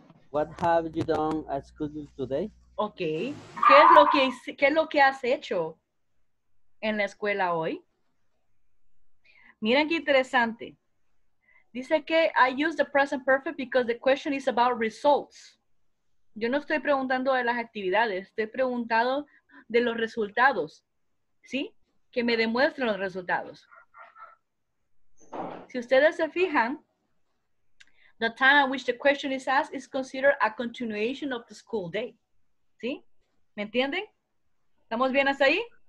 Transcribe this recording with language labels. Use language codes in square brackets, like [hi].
[en] What have you done at school today? Okay. [es] ¿Qué es lo que has hecho en la escuela hoy? Miren qué interesante. Dice que [en] I use the present perfect because the question is about results. [es] Yo no estoy preguntando de las actividades, estoy preguntando de los resultados, ¿sí? Que me demuestren los resultados. Si ustedes se fijan, [en] the time at which the question is asked is considered a continuation of the school day. [es] ¿Sí? ¿Me entienden? ¿Estamos bien hasta ahí?